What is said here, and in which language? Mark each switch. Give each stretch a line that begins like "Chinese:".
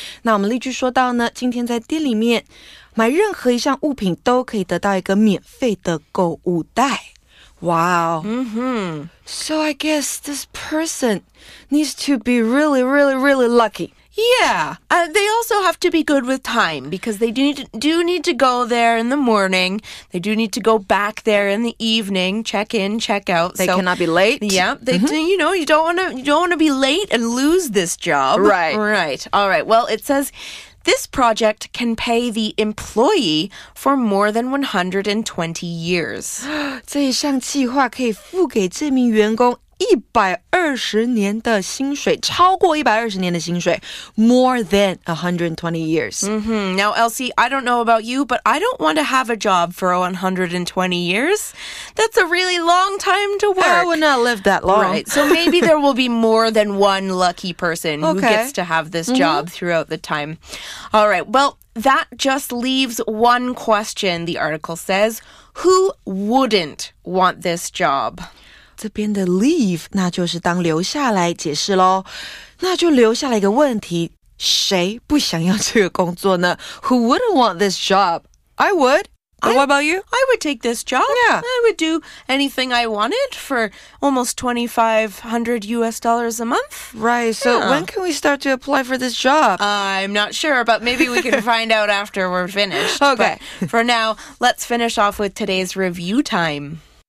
Chinese: 那我们例句说到呢，今天在店里面买任何一项物品都可以得到一个免费的购物袋。
English: Wow. Mm-hmm. So I guess this person needs to be really, really, really lucky. Yeah. They also have to be good with time because they do need to go there in the morning. They do need to go back there in the evening, check in, check out. They cannot be late. Yeah. They, mm-hmm. You know, you don't want to be late and lose this job. Right. Right. All right. Well, it says this project can pay the employee for more than 120 years.
Chinese: 这一项计划可以付给这名员工120年的薪水，超过120年的薪水。
English: More than 120 years. Mm-hmm. Now, Elsie, I don't know about you, but I don't want to have a job for 120 years. That's a really long time to work. I would not live that long. Right, so maybe there will be more than one lucky person who gets to have this job throughout the time. All right, well, that just leaves one question, the article says. Who wouldn't want this job?
Chinese: 这边的 leave 那就是当留下来解释咯，那就留下来一个问题，谁不想要这个工作呢？
English: Who wouldn't want this job? I would. But what about you? I would take this job. Yeah. I would do anything I wanted for almost $2,500 a month. Right. So when can we start to apply for this job? I'm not sure, but maybe we can find out after we're finished. Okay. But for now, let's finish off with today's review time.